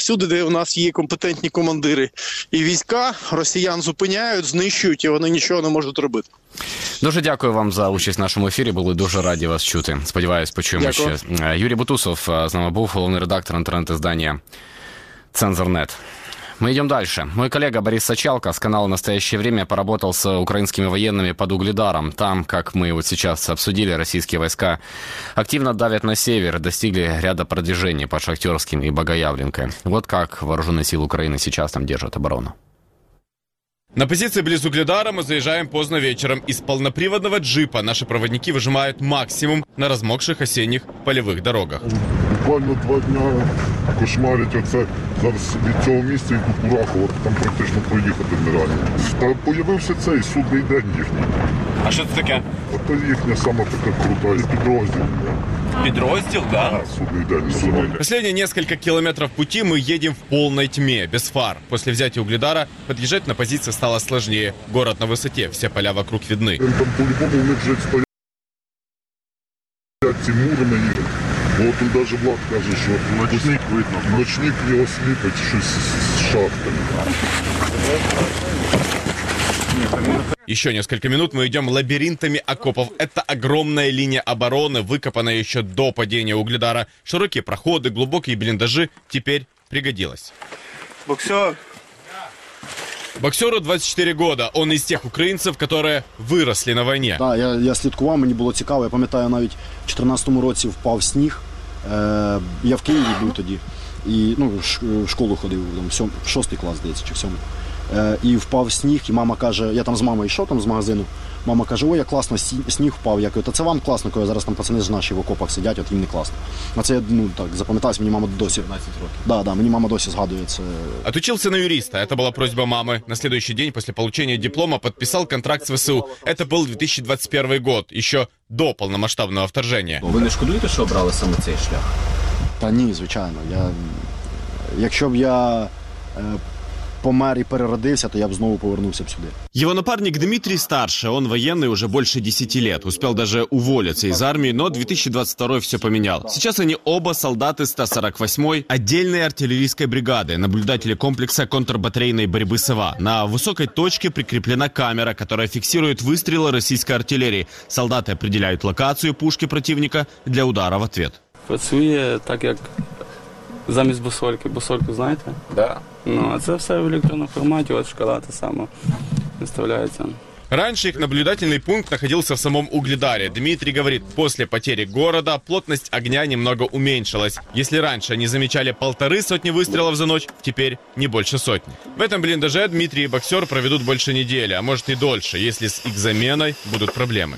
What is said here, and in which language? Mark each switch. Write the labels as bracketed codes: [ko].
[uk] Всюди, де у нас є компетентні командири і війська, росіян зупиняють, знищують, і вони нічого не можуть робити. Дуже дякую вам за участь в нашому ефірі. Були дуже раді вас чути. Сподіваюсь, почуємо ще. Юрій Бутусов з нами був, головний редактор інтернет-здання «Цензор.нет». [ru] Мы идем дальше. Мой коллега Борис Сачалко с канала «Настоящее время» поработал с украинскими военными под Угледаром. Там, как мы вот сейчас обсудили, российские войска активно давят на север, достигли ряда продвижений под Шахтерским и Богоявленкой. Вот как вооруженные силы Украины сейчас там держат оборону. На позиции близ Угледара мы заезжаем поздно вечером. Из полноприводного джипа наши проводники выжимают максимум на размокших осенних полевых дорогах. [uk] Буквально два дня кошмарить, оце зараз в цьому місці і Кукурахово, там практично проїхати нереально. Та появився цей судний день їхній. А що це таке? Це їхня сама така крута підрозділ. Підрозділ, да? Судний день. Останні кілька кілометрів пути ми їдемо в повній тьмі, без фар. Після взяття Угледара під'їжджати на позиції стало складніше. Город на висоті, всі поля вокруг видні. Там по-любому у них вже стоять ці мурми їх. От тут навіть Влад каже, що ночник видно. Ночник його сліпить щось з шахтами. [ru] Еще несколько минут мы идем лабиринтами окопов. Это огромная линия обороны, выкопанная еще до падения Угледара. Широкие проходы, глубокие блиндажи теперь пригодилось. Боксер! Боксеру 24 года. Он из тех украинцев, которые выросли на войне. [uk] Да, я слідкував, мені було цікаво. Я пам'ятаю, навіть в 14-му році впав сніг. Я в Києві був тоді. І, ну, в школу ходив, там, в 6-й клас, здається, чи в 7-й. І впав сніг, і мама каже, я там з мамою йшов там з магазину, мама каже, ой, як класно, сніг впав. Я кажу, та це вам класно, коли зараз там пацани ж наші в окопах сидять, от їм не класно. А це, ну, так, запам'яталось, мені мама досі. 15 років. Да, мені мама досі згадує це. [ru] Отучился на юриста, [uk] це була просьба мами. [ru] На следующий день [uk] після получення диплома підписав контракт з ВСУ. Це був 2021 год, ще до повномасштабного вторження. Ви не шкодуєте, що обрали саме цей шлях? Та ні, звичайно. Якщо б я помер [ru] и переродился, то я бы снова повернулся б сюда. Его напарник Дмитрий старше, он военный уже больше 10 лет. Успел даже уволиться из армии, но 2022 все поменял. Сейчас они оба солдаты 148-й отдельной артиллерийской бригады, наблюдатели комплекса контрбатарейной борьбы СВА. На высокой точке прикреплена камера, которая фиксирует выстрелы российской артиллерии. Солдаты определяют локацию пушки противника для удара в ответ. [uk] Працює так, як замість бусольки. Бусольку знаєте? [ru] Да. [uk] Ну, а це все в електронному форматі, от шкала та сама виставляється. [ru] Раньше их наблюдательный пункт находился в самом Угледаре. Дмитрий говорит, после потери города плотность огня немного уменьшилась. Если раньше они замечали 150 выстрелов за ночь, теперь не больше сотни. В этом блиндаже Дмитрий и боксер проведут больше недели, а может и дольше, если с их заменой будут проблемы.